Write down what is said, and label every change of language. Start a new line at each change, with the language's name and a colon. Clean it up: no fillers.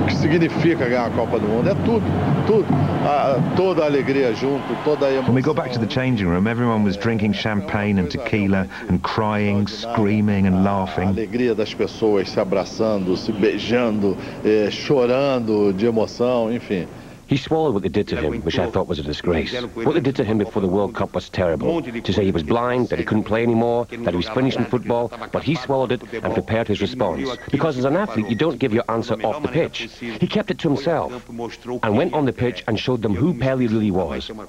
English: When we got back to the changing room, everyone was drinking champagne and tequila and crying, screaming and laughing.
Portuguese: Alegria das pessoas se abraçando, se beijando, chorando de emoção, enfim.
English: He swallowed what they did to him, which I thought was a disgrace. What they did to him before the World Cup was terrible. To say he was blind, that he couldn't play anymore, that he was finished in football, but he swallowed it and prepared his response. Because as an athlete, you don't give your answer off the pitch. He kept it to himself and went on the pitch and showed them who Pelé really was.